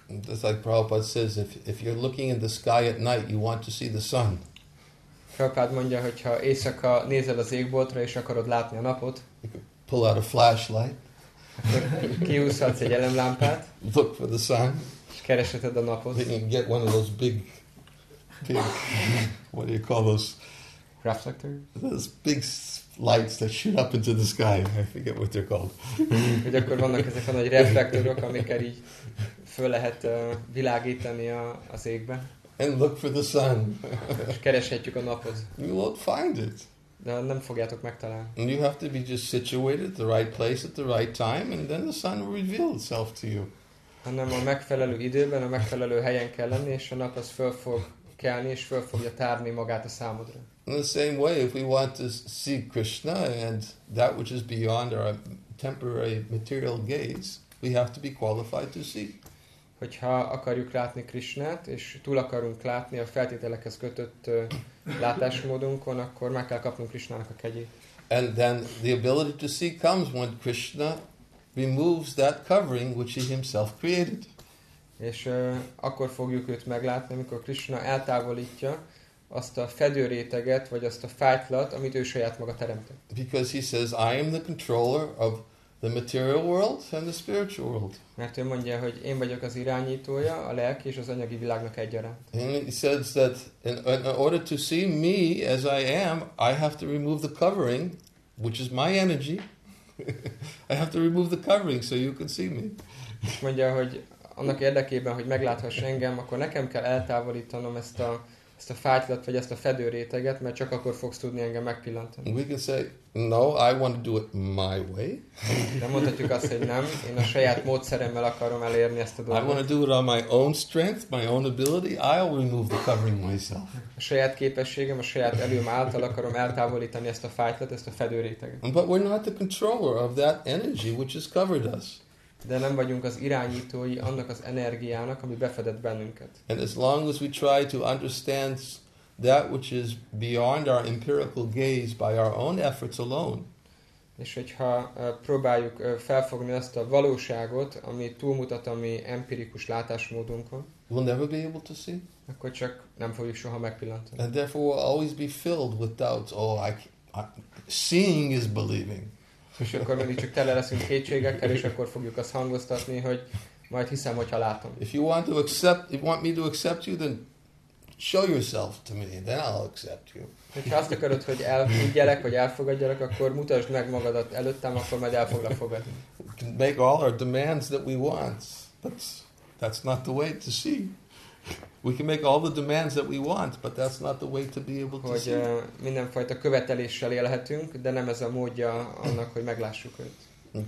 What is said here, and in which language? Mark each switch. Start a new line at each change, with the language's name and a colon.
English: That's like Prabhupada says, if you're looking in the sky at night, you want to see the sun.
Hungarian: Prabhupád mondja, hogyha éjszaka nézel az égboltra, és akarod látni a napot,
English: pull out a flashlight.
Hungarian: Kihúzhatsz egy elemlámpát.
English: Look for the sun.
Hungarian: És keresheted a napot.
English: You can get one of those big, what do you call those? Reflector? Those big lights that shoot up into the sky. I forget what they're called.
Hungarian: Hogy akkor vannak ezek a nagy reflektorok, amikkel így föl lehet világítani az égbe.
English: And look for the sun.
Hungarian: Kereshetjük a napot.
English: You won't find it.
Hungarian: De nem fogjátok megtalálni.
English: And you have to be just situated at the right place at the right time, and then the sun will reveal itself to you.
Hungarian: Hanem a megfelelő időben, a megfelelő helyen kell lenni, és a nap az föl fog kelni, és föl fogja tárni magát a számodra.
English: In the same way, if we want to see Krishna and that which is beyond our temporary material gaze, we have to be qualified to see.
Hungarian: Hogyha akarjuk látni Krishnát, és túl akarunk látni a feltételekhez kötött látásmódunkon, akkor meg kell kapnunk Krishnának a kegyét.
English: And then the ability to see comes when Krishna removes that covering which he himself created.
Hungarian: És akkor fogjuk őt meglátni, amikor Krishna eltávolítja azt a fedőréteget, vagy azt a fájtlat, amit ő saját maga teremtett.
English: Because he says, I am the controller of the material world and the spiritual world.
Hungarian: Mert ő mondja, hogy én vagyok az irányítója, a lelki és az anyagi világnak egyaránt.
English: And he says that in order to see me as I am, I have to remove the covering, which is my energy. I have to remove the covering so you can see me.
Hungarian: Mondja, hogy annak érdekében, hogy megláthass engem, akkor nekem kell eltávolítanom ezt a ezt a fájtlat, vagy ezt a fedő réteget, mert csak akkor fogsz tudni engem megpillantani.
English: We can say, no, I want to do it my way.
Hungarian: Nem mondhatjuk azt, hogy nem, én a saját módszeremmel akarom elérni ezt a dolgot.
English: I want to do it on my own strength, my own ability, I'll remove the covering myself.
Hungarian: A saját képességem, a saját erőm által akarom eltávolítani ezt a fájtlat, ezt a fedő réteget.
English: But we're not the controller of that energy which has covered us.
Hungarian: De nem vagyunk az irányítói annak az energiának, ami befedett bennünket.
English: And as long as we try to understand that which is beyond our empirical gaze by our own efforts alone.
Hungarian: És hogyha próbáljuk felfogni azt a valóságot, ami túlmutat a mi empirikus látásmódunkon,
English: we'll never be able to see.
Hungarian: Akkor csak nem fogjuk soha megpillantani.
English: And therefore we'll always be filled with doubts. Oh, seeing is believing.
Hungarian: És akkor mindig csak tele leszünk kétségekkel, és akkor fogjuk azt hangoztatni, hogy majd hiszem, hogyha látom.
English: If you want to accept, if you want me to accept you, then show yourself to me, then I'll accept you.
Hungarian: Hogyha azt akarod, hogy elfogadjak, vagy elfogadjak, akkor mutasd meg magadat előttem, akkor majd el foglak fogadni.
English: Make all our demands that we want. That's not the way to see. We can make all the demands that we want, but that's not the way to be able to see.
Hungarian: Mindenfajta követeléssel élhetünk, de nem ez a módja annak, hogy meglássuk őt.